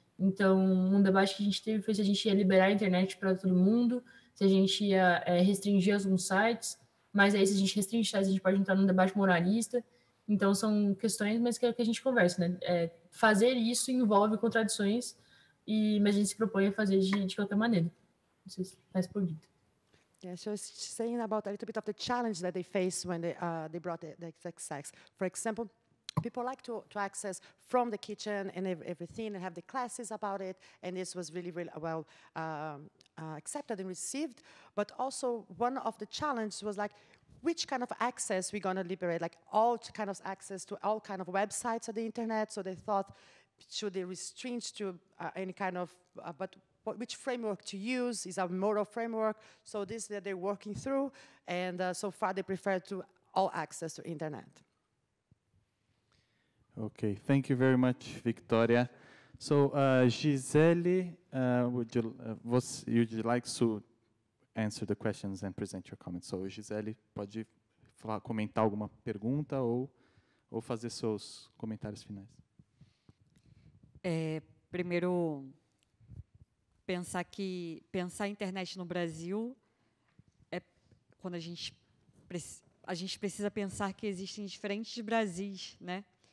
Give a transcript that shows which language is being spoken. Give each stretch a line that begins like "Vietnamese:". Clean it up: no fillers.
Portuguese: Então, um debate que a gente teve foi se a gente ia liberar a internet para todo mundo, se a gente ia restringir alguns sites, mas aí se a gente restringir, a gente pode entrar num debate moralista. Então, são questões, mas que é o que a gente conversa, né? Fazer isso envolve contradições, mas a gente se propõe a fazer de qualquer maneira. Não sei se está respondido.
English: Yeah, so it's saying about a little bit of the challenge that they face when they brought the XXX. For example, people like to access from the kitchen and everything and have the classes about it, and this was really, really well accepted and received. But also, one of the challenges was like, which kind of access we're going to liberate, like all kind of access to all kind of websites on the internet. So they thought, should they restrain to any kind of, but which framework to use is a moral framework. So this that they're working through. And so far they prefer to all access to internet. Okay, thank you very much, Victoria. So Gisele, would you like to answer the questions and present your comments.
Portuguese: So, Gisele, pode comentar alguma pergunta ou fazer seus comentários finais. Primeiro, pensar a internet no Brasil é quando a gente precisa pensar que existem diferentes Brasis, né?